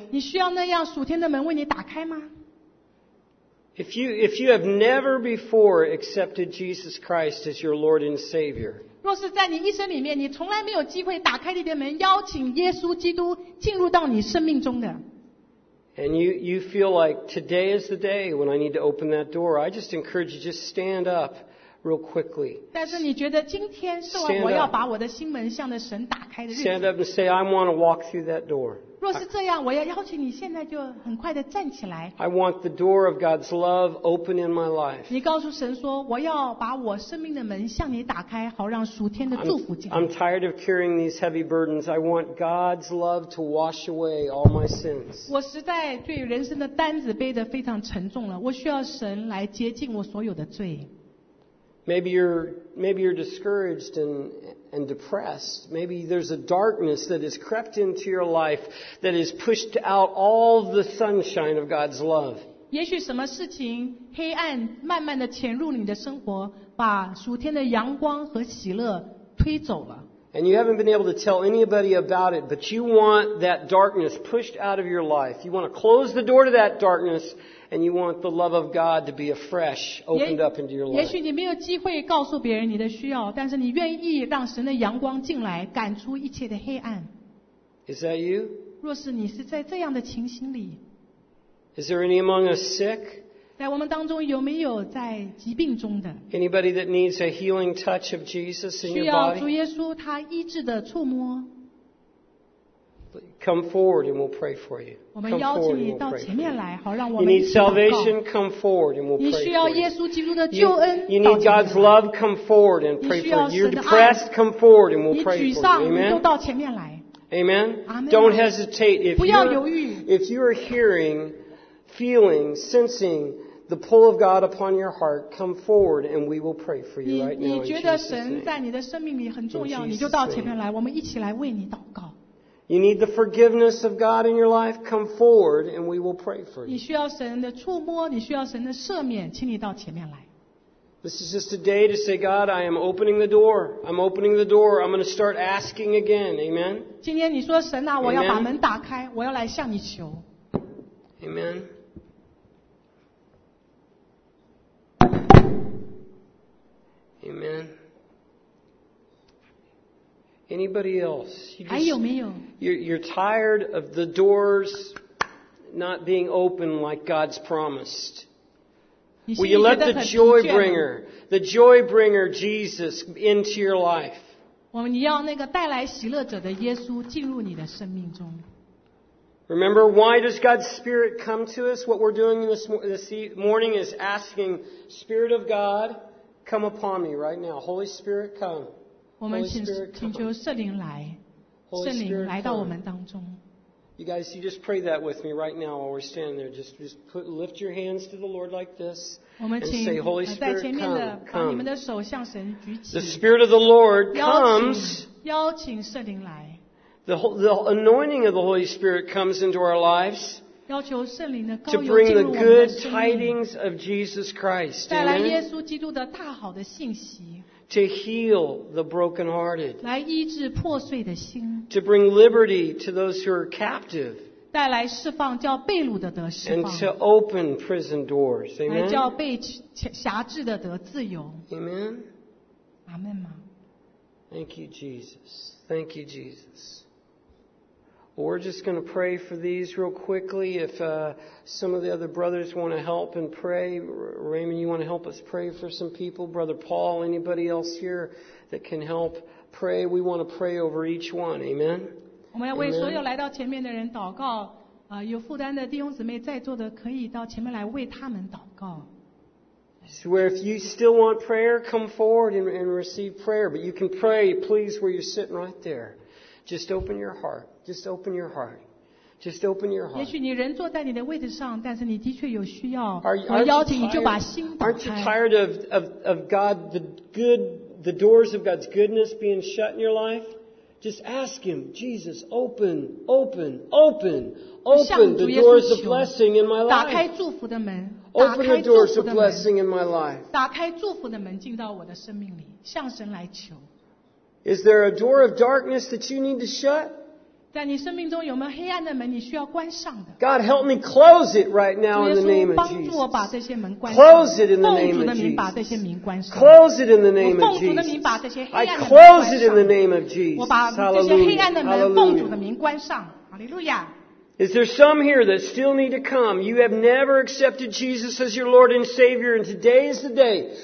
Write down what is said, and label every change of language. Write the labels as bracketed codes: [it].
[zh] 你需要那样属天的门为你打开吗？ [en] If you have never before accepted Jesus Christ as your Lord and Savior. [zh] 若是在你一生里面你从来没有机会打开你的门邀请耶稣基督进入到你生命中的 [en] And you feel like today is the day when I need to open that door. I just encourage you just stand up real quickly. [zh] 但是你觉得今天是我要把我的心门向着神打开的日子 [en] Stand up and say I want to walk through that door. [zh] 若是这样我要邀请你现在就很快地站起来 [en] I want the door of God's love open in my life. [zh] 你告诉神说我要把我生命的门向你打开好让属天的祝福进来 [en] I'm tired of carrying these heavy burdens. I want God's love to wash away all my sins. [zh] 我实在对人生的担子背得非常沉重了我需要神来洁净我所有的罪 [en] Maybe you're discouraged and depressed. Maybe there's a darkness that has crept into your life that has pushed out all the sunshine of God's love. [zh] 也许什么事情黑暗慢慢地潜入你的生活，把属天的阳光和喜乐推走了。 [en] And you haven't been able to tell anybody about it, but you want that darkness pushed out of your life. You want to close the door to that darkness, and you want the love of God to be afresh opened up into your life. [zh] 也许你没有机会告诉别人你的需要，但是你愿意让神的阳光进来，赶出一切的黑暗。 [en] Is that you? [zh] 若是你是在这样的情形里。 [en] Is there any among us sick? [zh] 在我们当中有没有在疾病中的？ [en] Anybody that needs a healing touch of Jesus in your body? [zh] 需要主耶稣他医治的触摸。 [en] Come forward and we'll pray for you. [zh] 我们邀请你到前面来，好让我们。 [en] You need salvation, come forward and we'll pray for you. [zh] 你需要耶稣基督的救恩。 [en] You need God's love, come forward and pray for you. You're depressed, come forward and we'll pray for you. [zh] 你沮丧，你就到前面来。 [en] Amen. Don't hesitate. If you are hearing, feeling, sensing the pull of God upon your heart, come forward and we will pray for you right now. [zh] 你觉得神在你的生命里很重要，你就到前面来，我们一起来为你祷告。 [en] You need the forgiveness of God in your life. Come forward, and we will pray for you. [zh] 你需要神的触摸，你需要神的赦免，请你到前面来。 [en] This is just a day to say, God, I am opening the door. I'm opening the door. I'm going to start asking again. Amen. [zh] 今天你说神啊，我要把门打开，我要来向你求。 [en] Amen. Anybody else? You're tired of the doors not being open like God's promised. Will you let the joy bringer Jesus into your life? [zh] 我们要那个带来喜乐者的耶稣进入你的生命中。 [en] Remember, why does God's Spirit come to us? What we're doing this morning is asking, Spirit of God, come upon me right now. Holy Spirit, come. [zh] 我们请求圣灵来，圣灵来到我们当中。 [en] You guys, you just pray that with me right now while we're standing there. Lift your hands to the Lord like this and say, Holy Spirit, come. [zh] 把你们的手向神举起。 [en] The Spirit of the Lord comes. [zh] 邀请圣灵来。 [en] The anointing of the Holy Spirit comes into our lives. [zh] 要求圣灵的高油进入我们的生命。 [en] To bring the good tidings of Jesus Christ. [zh] 带来耶稣基督的大好的信息。 [en] To heal the brokenhearted. [zh] 来医治破碎的心。 [en] To bring liberty to those who are captive. [zh] 带来释放叫被掳的得释放。 [en] And to open prison doors. Amen. [zh] 来叫被辖制的得自由。 [en] Amen. Amen. Thank you, Jesus. Thank you, Jesus. We're just going to pray for these real quickly. If some of the other brothers want to help and pray, Raymond, you want to help us pray for some people? Brother Paul, anybody else here that can help pray? We want to pray over each one. Amen? [zh] 我们要为所有来到前面的人祷告。有负担的弟兄姊妹在座的可以到前面来为他们祷告。 [en] So if you still want prayer, come forward and receive prayer. But you can pray, please, where you're sitting right there. Just open your heart. Just open your heart. Just open your heart. [zh] 也许你人坐在你的位置上，但是你的确有需要。我邀请你就把心打开。 [en] Aren't you tired of God, the doors of God's goodness being shut in your life? Just ask Him, Jesus, open the doors of blessing in my life. [zh] 打开祝福的门。 [en] Open the doors of blessing in my life. [zh] 打开祝福的门进到我的生命里，向神来求。 [en] Is there a door of darkness that you need to shut? [zh] 在你生命中有没有黑暗的门你需要关上的？ [en] God, help me close it right now in the name of Jesus. [zh] 主耶稣，帮助我把这些门关上。 [en] Close it in the name of Jesus. [zh] 把这些门关上。 [en] Close it in the name of Jesus. [zh] 奉主的名把这些黑暗的门关上。 [en] I close it in the name of Jesus. [zh] 我把这些黑暗的门奉主的名关上。哈利路亚。 [en] Is there some here that still need to come? You have never accepted Jesus as your Lord and Savior, and today is the day.